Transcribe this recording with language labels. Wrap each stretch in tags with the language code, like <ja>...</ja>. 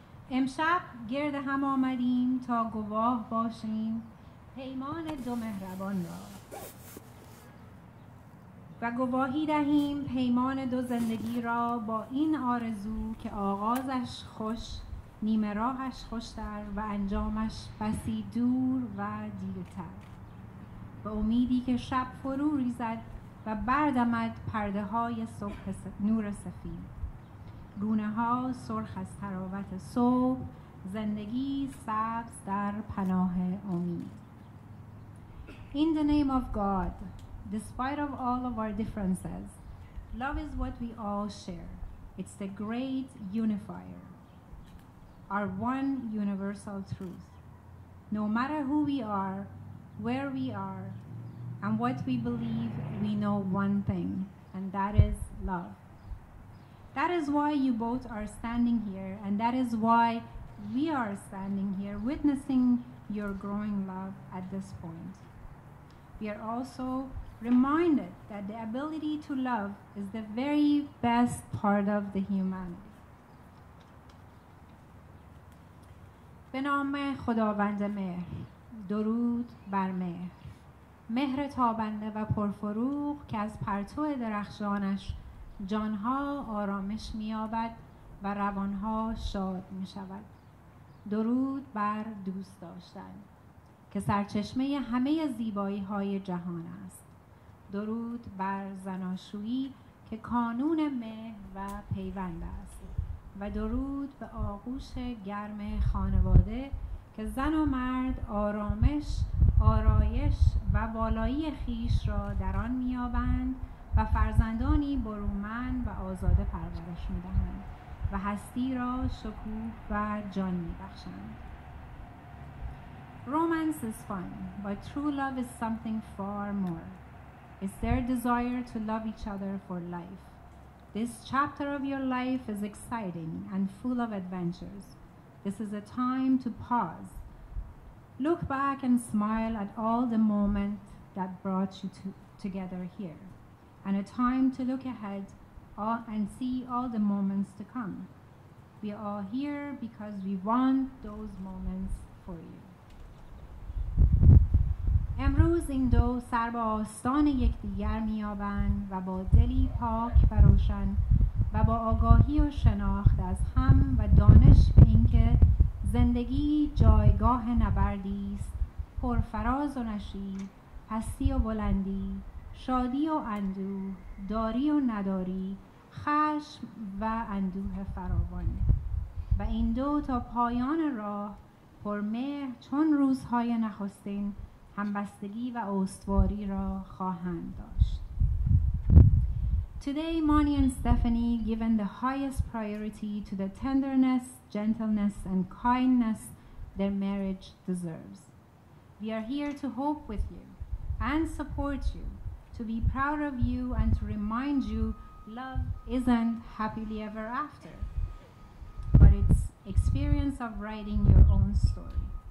<fa>امشب گرد هم آمدیم تا گواه باشیم پیمان دو مهربان را و گواهی دهیم پیمان دو زندگی را با این آرزو که آغازش خوش، نیمه راهش خوشتر و انجامش بسی دور و دیرتر، و امیدی که شب فرو ریزد و بردمد پرده های صبح نور سفید، گونه ها سرخ از تراوت صبح، زندگی سبز در پناه امید.</fa> <en>In the name of God, despite of all of our differences, love is what we all share. It's the great unifier, our one universal truth. No matter who we are, where we are, and what we believe, we know one thing, and that is love. That is why you both are standing here, and that is why we are standing here witnessing your growing love at this point. We are also reminded that the ability to love is the very best part of the humanity.</en> <fa>به نام خداوند مهر، درود بر مهر، مهر تابنده و پرفروغ که از پرتو درخشانش جانها آرامش می‌یابد و روانها شاد می‌شود. درود بر دوست داشتن که سرچشمه همه زیبایی‌های جهان است. درود بر زناشویی که کانون مهر و پیوند است. و درود به آغوش گرم خانواده که زن و مرد آرامش، آرایش و بالایی خیش را در آن می‌یابند و فرزندانی برومند و آزاده پرورش می‌دهند و هستی را شکوه و جان می‌بخشند.</fa> <en>Romance is fun, but true love is something far more. It's their desire to love each other for life. This chapter of your life is exciting and full of adventures. This is a time to pause. Look back and smile at all the moments that brought you together here. And a time to look ahead and see all the moments to come. We are all here because we want those moments for you.</en> <fa>امروز این دو سر به آستان یکدیگر می‌یابند و با دلی پاک و روشن و با آگاهی و شناخت از هم و دانش به اینکه زندگی جایگاه نبردی است پر فراز و نشیب، پستی و بلندی، شادی و اندوه، داری و نداری، خشم و اندوه فراوان و این دو تا پایان راه پر مهر چون روزهای نخستین همبستگی و استواری را خواهند داشت.</fa> <en>Today, Moni and Stephanie given the highest priority to the tenderness, gentleness, and kindness their marriage deserves. We are here to hope with you and support you, to be proud of you and to remind you love isn't happily ever after, but it's experience of writing your own story.</en>